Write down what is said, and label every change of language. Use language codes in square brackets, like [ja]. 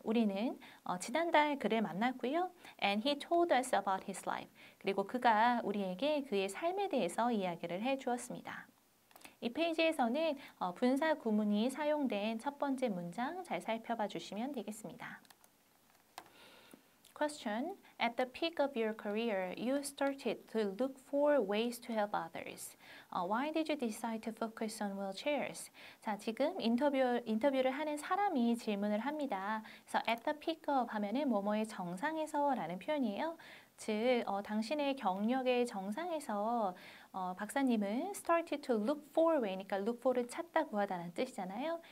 [ko] 우리는 지난달 그를 만났고요. [en] And he told us about his life. [ko] 그리고 그가 우리에게 그의 삶에 대해서 이야기를 해주었습니다. 이 페이지에서는 분사 구문이 사용된 첫 번째 문장 잘 살펴봐 주시면 되겠습니다. [en] Question. At the peak of your career, you started to look for ways to help others. Why did you decide to focus on wheelchairs? [ko] 자, 지금 인터뷰를 하는 사람이 질문을 합니다. 그래서 [en] at the peak of [ko] 하면은 뭐뭐의 정상에서라는 표현이에요. 즉, 당신의 경력의 정상에서 박사님은 [en] started to look for way [ko] 니까 look for를 찾다 구하다라는 뜻이잖아요.